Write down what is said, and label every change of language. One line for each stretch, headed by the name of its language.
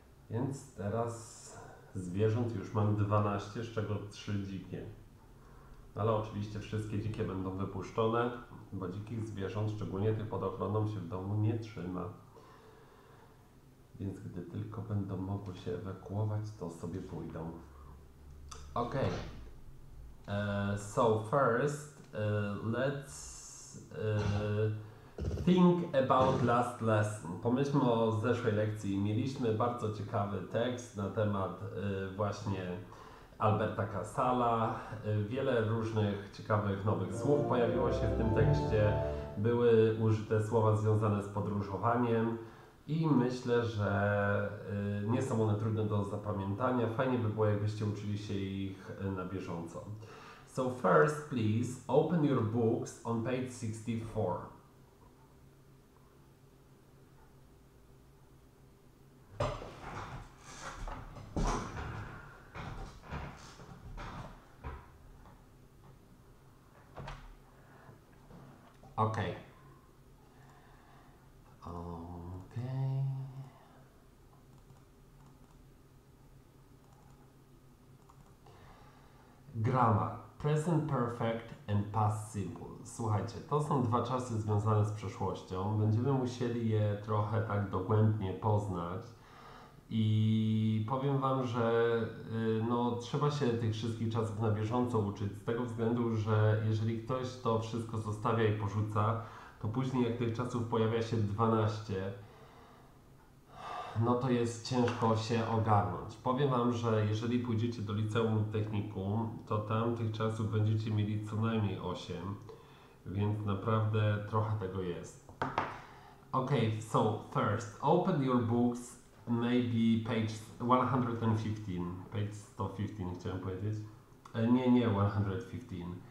Polish: Więc teraz zwierząt już mam 12, z czego 3 dzikie. Ale oczywiście wszystkie dzikie będą wypuszczone. Bo dzikich zwierząt, szczególnie tych pod ochroną, się w domu nie trzyma. Więc gdy tylko będą mogły się ewakuować, to sobie pójdą.
English: Okay. So first, let's think about last lesson.
Polish: Pomyślmy o zeszłej lekcji. Mieliśmy bardzo ciekawy tekst na temat właśnie Alberta Casala. Wiele różnych ciekawych nowych słów pojawiło się w tym tekście. Były użyte słowa związane z podróżowaniem i myślę, że nie są one trudne do zapamiętania. Fajnie by było, jakbyście uczyli się ich na bieżąco.
English: So first, please open your books on page 64. Okay. Okay. Grammar. Present perfect and past simple.
Polish: Słuchajcie, to są dwa czasy związane z przeszłością. Będziemy musieli je trochę tak dogłębnie poznać. I powiem wam, że no, trzeba się tych wszystkich czasów na bieżąco uczyć z tego względu, że jeżeli ktoś to wszystko zostawia i porzuca, to później jak tych czasów pojawia się 12, no to jest ciężko się ogarnąć. Powiem wam, że jeżeli pójdziecie do liceum lub technikum, to tam tych czasów będziecie mieli co najmniej 8, więc naprawdę trochę tego jest.
English: Okay, so first, open your books. Maybe page 115, page 115,
Polish: chciałem powiedzieć. Nie, nie, 115.